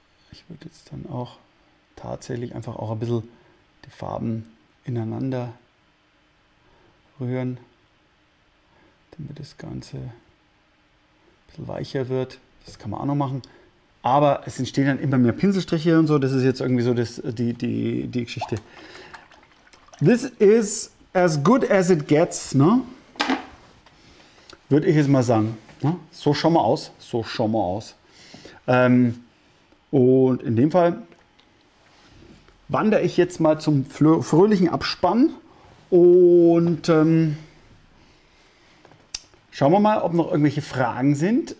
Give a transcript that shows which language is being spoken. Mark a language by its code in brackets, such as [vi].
[de] Ich würde jetzt dann auch tatsächlich einfach auch ein bisschen die Farben ineinander rühren, damit das Ganze weicher wird. Das kann man auch noch machen. Aber es entstehen dann immer mehr Pinselstriche und so. Das ist jetzt irgendwie so die Geschichte. [en] This is as good as it gets, ne? [de] Würde ich jetzt mal sagen. Ne? So schauen wir aus. So schauen wir aus. Und in dem Fall wandere ich jetzt mal zum fröhlichen Abspann und schauen wir mal, ob noch irgendwelche Fragen sind.